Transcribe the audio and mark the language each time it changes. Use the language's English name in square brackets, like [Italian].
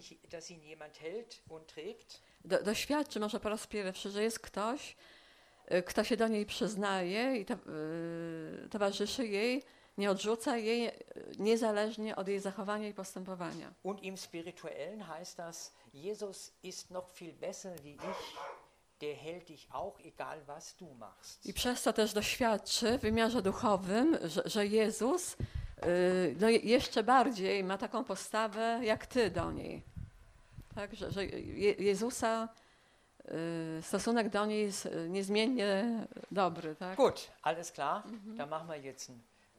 [German] Dass ihn jemand hält und trägt. [Polish] Doświadczy może po raz pierwszy, że jest ktoś, kto się do niej przyznaje i towarzyszy jej, nie odrzuca jej, niezależnie od jej zachowania i postępowania. [German] Und im Spirituellen heißt das, Jesus ist noch viel besser wie ich, der hält dich auch, egal was du machst. [Polish] I przez to też doświadczy w wymiarze duchowym, że Jezus no jeszcze bardziej ma taką postawę jak ty do niej. Tak, że Jezusa stosunek do niej jest niezmiennie dobry, tak? [German] Gut, alles klar. Mhm. Dann machen wir jetzt einen